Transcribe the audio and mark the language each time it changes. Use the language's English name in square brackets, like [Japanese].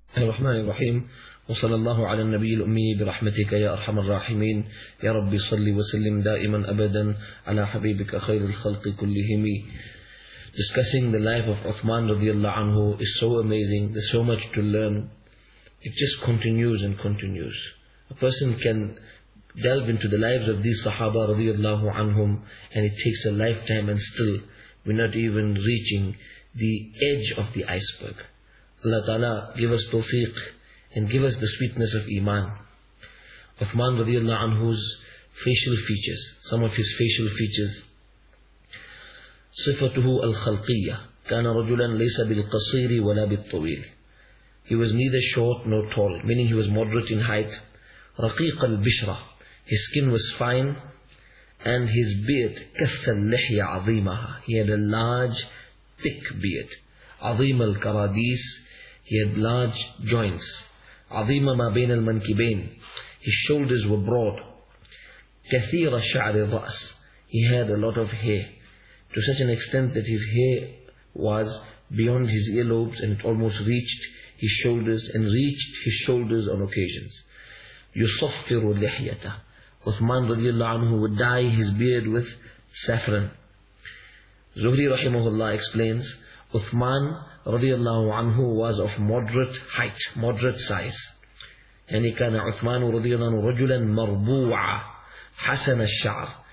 [Arabic] الرحمن الرحيم، وصلى الله على النبي الأمي برحمتك يا أرحم الراحمين. يا ربي صل وسلم دائما أبدا على حبيبك خير الخلق كلهم. [English] Discussing the life of Uthman radiallahu anhu is so amazing. There's so much to learn. It just continues and continues. A person can delve into the lives of these Sahaba radiallahu anhum, and it takes a lifetime, and still we're not even reaching the edge of the iceberg. Allah Ta'ala give us tawfiq and give us the sweetness of Iman. Uthman radiallahu anhu's facial features, some of his facial features. [Arabic] صفته الخلقية كان رجلا ليس بالقصير ولا بالطويل. [English] He was neither short nor tall, meaning he was moderate in height. [Arabic] رقيق البشرة. [English] His skin was fine and his beard [Arabic] كث اللحية عظيمها. [English] He had a large thick beard. [Arabic] عظيم الكراديس. [English] He had large joints. [Arabic] عظيم ما بين المنكبين. [English] His shoulders were broad. [Arabic] كثير شعر الرأس. [English] He had a lot of hair, to such an extent that his hair was beyond his earlobes and it almost reached his shoulders and reached his shoulders on occasions. [Arabic] يصفر لحيته. [English] Uthman radiallahu anhu would dye his beard with saffron. Zuhri rahimahullah explains, Uthman radiallahu anhu was of moderate height, moderate size. [Arabic] يعني كان عثمان رضي الله عنه رجلا مربوعا حسن الشعر.